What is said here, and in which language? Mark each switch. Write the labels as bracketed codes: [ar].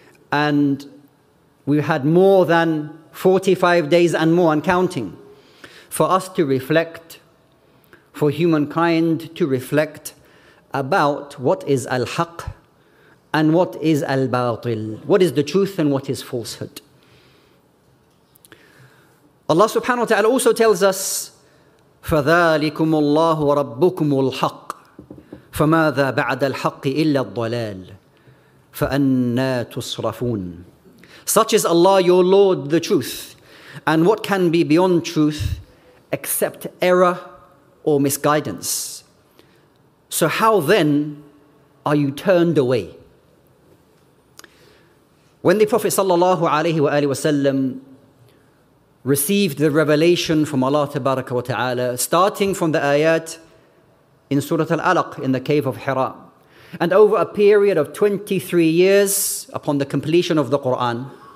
[en] And we had more than 45 days and more and counting for us to reflect, for humankind to reflect about what is al-haq and what is al-batil, what is the truth and what is falsehood. Allah subhanahu wa ta'ala also tells us, [ar] فَذَٰلِكُمُ اللَّهُ وَرَبُّكُمُ الْحَقِّ فَمَاذَا بَعْدَ الْحَقِّ إِلَّا الضَّلَالِ فَأَنَّا تُصْرَفُونَ. [en] Such is Allah, your Lord, the truth. And what can be beyond truth except error or misguidance? So how then are you turned away? When the Prophet sallallahu alayhi wa alayhi wa sallam received the revelation from Allah tabaraka wa ta'ala, starting from the ayat in Surah Al-Alaq, in the cave of Hira, and over a period of 23 years upon the completion of the Qur'an,